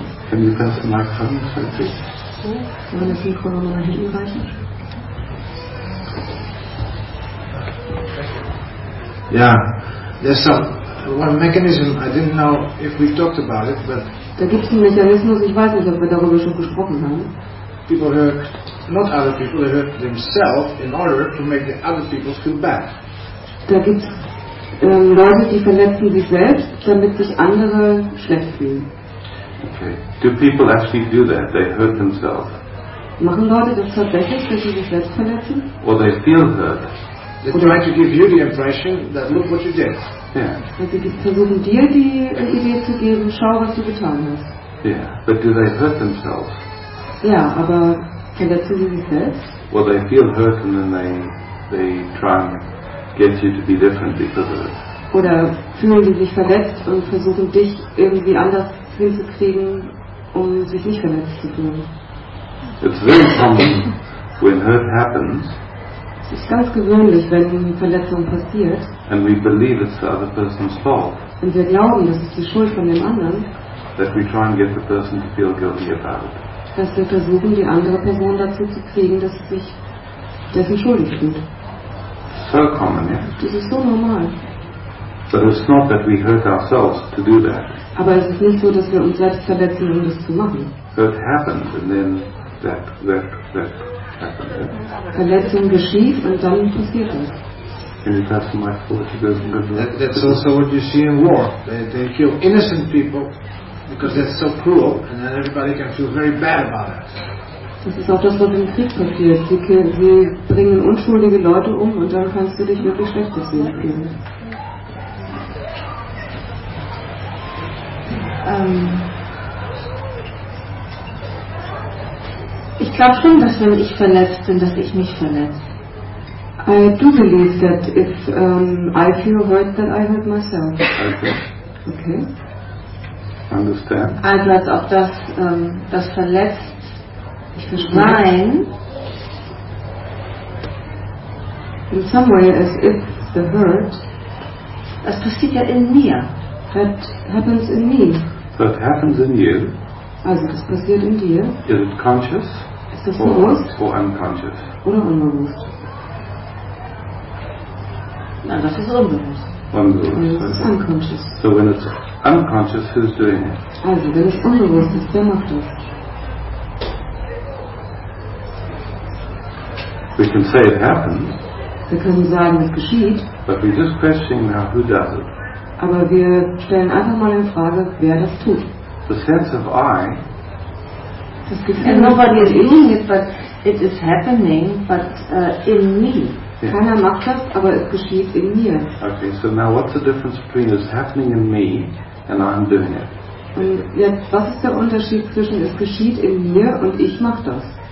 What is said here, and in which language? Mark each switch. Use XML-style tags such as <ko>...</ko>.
<en>Can you pass the microphone, please? Yeah, there's some one mechanism. I didn't know if we talked about it, but.</en> <de>Da gibt's einen Mechanismus. Ich weiß nicht, ob wir darüber schon gesprochen haben.</de> <en>People hurt not other people. They hurt themselves in order to make the other people feel bad.</en> <de>Da gibt's Leute, die verletzen sich selbst, damit sich andere schlecht fühlen.</de> <en>Okay. Do people actually do that? They hurt themselves.</en> <de>Machen Leute das tatsächlich, dass sie sich selbst verletzen?</de> <en>Or they feel hurt. They try to give you the impression that look what you did. Yeah.</en> <de>Also die versuchen dir die Idee zu geben, schau was du getan hast.</de> <en>Yeah, but do they hurt themselves?</en> <de>Ja, aber verletzen sie sich selbst?</de> <en>Well, they feel hurt and then they try and get you to be different because of it.</en> <de>Oder fühlen sie sich verletzt und versuchen dich irgendwie anders hinzukriegen, um sich nicht verletzt zu fühlen?</de> <en>It's very common when hurt happens.</en> <de>Es ist ganz gewöhnlich, wenn eine Verletzung passiert.</de> <en>And we believe it's the other person's fault.</en> <de>Und wir glauben, das ist die Schuld von dem anderen.</de> <en>That we try and get the person to feel guilty about it.</en> <de>Dass wir versuchen, die andere Person dazu zu kriegen, dass sie sich dessen schuldig fühlt.</de> <en>So common, yeah.</en> <de>Das ist so normal.</de> <en>But it's not that we hurt ourselves to do that.</en> <de>Aber es ist nicht so, dass wir uns selbst verletzen, um das zu machen.</de> <en>Hurt happens and then that happens.</en> <de>Verletzung geschieht und dann passiert das.</de> <en>And it has to make sure that it doesn't go through. That's also what you see in war. They kill innocent people because that's so cruel, and then everybody can feel very bad about it.</en> <de>Das ist auch das, was im Krieg passiert. Sie bringen unschuldige Leute um und dann kannst du dich wirklich schlecht deswegen fühlen. Ich glaube schon, dass wenn ich verletzt bin, dass ich mich verletze.</de> <en>I do believe that if I feel hurt, then I hurt myself. Okay. Understand.</en> <de>Also als ob das, das verletzt sein.</de> <en>In some way as if the hurt.</en> <de>Das passiert ja in mir.</de> <en>That happens in me. So it happens in you.</en> <de>Also das passiert in dir.</de> <en>Is it conscious?</en> <de>Ist das bewusst?</de> <en>Or unconscious?</en> <de>Oder unbewusst? Nein, das ist unbewusst. Unbewusst.</de> <en>Also unconscious. So when it's unconscious, who's doing it?</en> <de>Also wenn es unbewusst ist, wer macht das?</de> <en>We can say it happens.</en> <de>Wir können sagen, es geschieht.</de> <en>But we're just questioning now who does it.</en> <de>Aber wir stellen einfach mal in Frage, wer das tut.</de> <en>The sense of I.</en> <de>Das Gefühl,</de> <en>and nobody is doing it, but it is happening, but in me. Yeah.</en> <de>Keiner macht das, aber es geschieht in mir.</de> <en>Okay, so now what's the difference between it's happening in me and I'm doing it?</en> <de>Und jetzt, was ist der Unterschied zwischen es geschieht in mir und ich mach das?</de>